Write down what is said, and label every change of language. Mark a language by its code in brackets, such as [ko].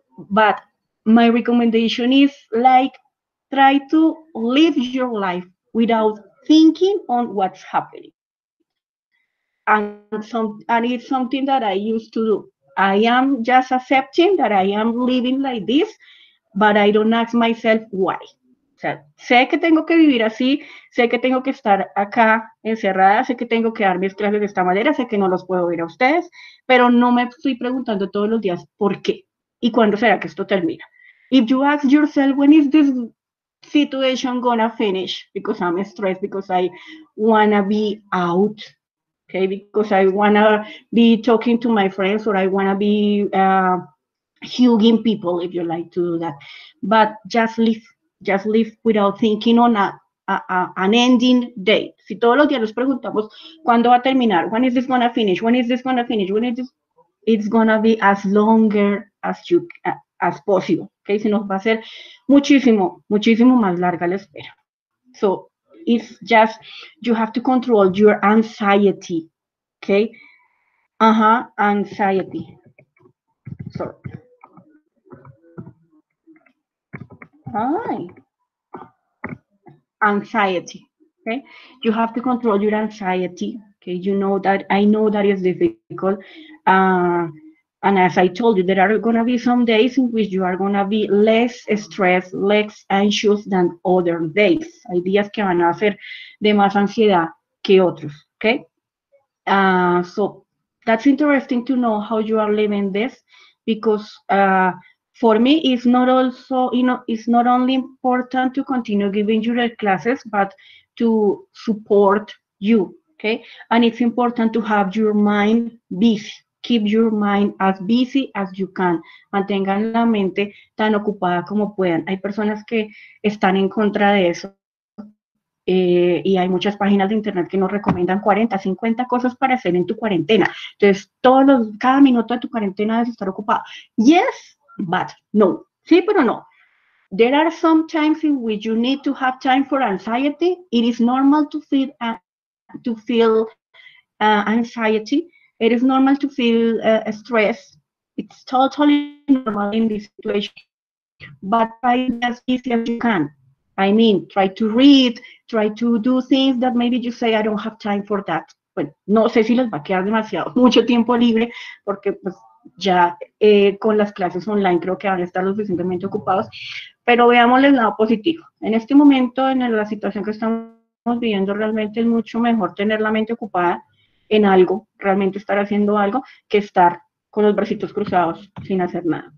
[en] But my recommendation is like, try to live your life without thinking on what's happening. And it's something that I used to do. I am just accepting that I am living like this, but I don't ask myself why. [es] O sea, sé que tengo que vivir así, sé que tengo que estar acá encerrada, sé que tengo que dar mis clases de esta manera, sé que no los puedo ver a ustedes, pero no me estoy preguntando todos los días por qué y cuándo será que esto termina. [en] If you ask yourself, when is this situation gonna finish? Because I'm stressed, because I wanna be out, okay? Because I wanna be talking to my friends or I wanna be hugging people if you like to do that. But just leave. Just live without thinking on an ending date. [es] Si todos los días nos preguntamos, ¿cuándo va a terminar? [en] When is this gonna finish? When is this gonna finish? When is this? It's gonna be as longer as you as possible. [es] Okay, si nos va a ser muchísimo, muchísimo más larga la espera. [en] So it's just you have to control your anxiety. Okay, anxiety. Sorry. Hi. Anxiety, okay? You have to control your anxiety, okay? You know that, I know that is difficult. And as I told you, there are going to be some days in which you are going to be less stressed, less anxious than other days. [es] Hay días que van a hacer de más ansiedad que otros, okay? [en] So that's interesting to know how you are living this because for me, it's not also, you know, it's not only important to continue giving your classes, but to support you, okay? And it's important to have your mind busy. Keep your mind as busy as you can. [es] Mantengan la mente tan ocupada como puedan. Hay personas que están en contra de eso. Y hay muchas páginas de internet que nos recomiendan 40, 50 cosas para hacer en tu cuarentena. Entonces, cada minuto de tu cuarentena debes estar ocupado. [en] Yes. But no, [es] sí, pero no. [en] There are some times in which you need to have time for anxiety. It is normal to feel anxiety. It is normal to feel stress. It's totally normal in this situation. But try as easy as you can. I mean, try to read, try to do things that maybe you say, I don't have time for that. [es] Bueno, no sé si les va a quedar demasiado mucho tiempo libre, porque pues ya con las clases online creo que van a estar lo suficientemente ocupados. Pero veamos el lado positivo. En este momento, en la situación que estamos viviendo, realmente es mucho mejor tener la mente ocupada en algo, realmente estar haciendo algo, que estar con los bracitos cruzados sin hacer nada.